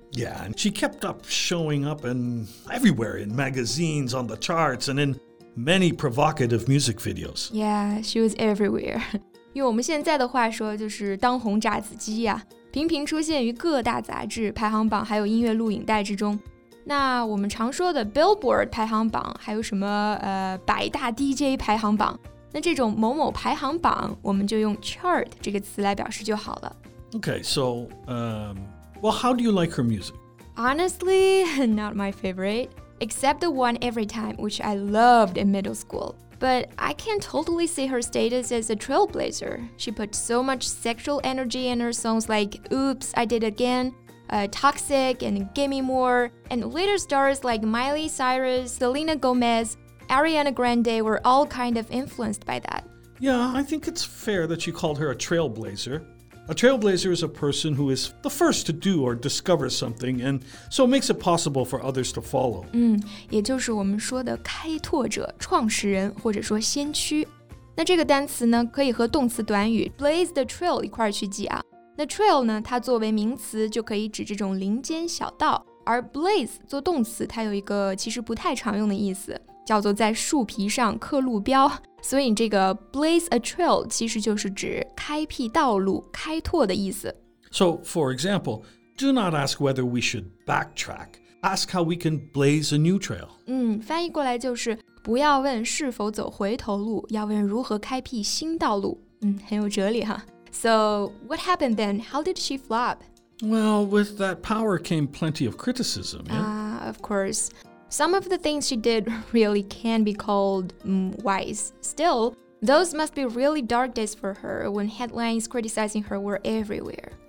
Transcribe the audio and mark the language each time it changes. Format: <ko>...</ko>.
<en>Yeah, and she kept up showing up in everywhere, in magazines, on the charts, and in many provocative music videos. Yeah, she was everywhere.</en> <zh>用我们现在的话说就是当红炸子鸡啊，频频出现于各大杂志、排行榜，还有音乐录影带之中。那我们常说的 Billboard 排行榜，还有什么百大 DJ 排行榜。那这种某某排行榜我们就用 chart 这个词来表示就好了。</zh> <en>Okay, so, well, how do you like her music? Honestly, not my favorite. Except the one Every Time, which I loved in middle school. But I can totally see her status as a trailblazer. She put so much sexual energy in her songs like Oops, I Did Again, Toxic, and Gimme More. And later stars like Miley Cyrus, Selena Gomez,Ariana Grande were all kind of influenced by that. Yeah, I think it's fair that you called her a trailblazer. A trailblazer is a person who is the first to do or discover something, and so makes it possible for others to follow.</en> <zh>也就是我们说的开拓者、创始人或者说先驱。那这个单词呢，可以和动词短语</zh> <en>blaze the trail</en> <zh>一块去记啊。那 trail 呢，它作为名词就可以指这种林间小道，而 blaze 做动词，它有一个其实不太常用的意思。叫做在树皮上刻路标，所以这个</zh> <en>blaze a trail</en> <zh>其实就是指开辟道路、开拓的意思。</zh> <en>So, for example, do not ask whether we should backtrack. Ask how we can blaze a new trail.</en> <zh>翻译过来就是不要问是否走回头路，要问如何开辟新道路。很有哲理哈。</zh> <en>So, what happened then? How did she flop? Well, with that power came plenty of criticism. Of course. Some of the things she did really can be called wise. Still, those must be really dark days for her when headlines criticizing her were everywhere.</en>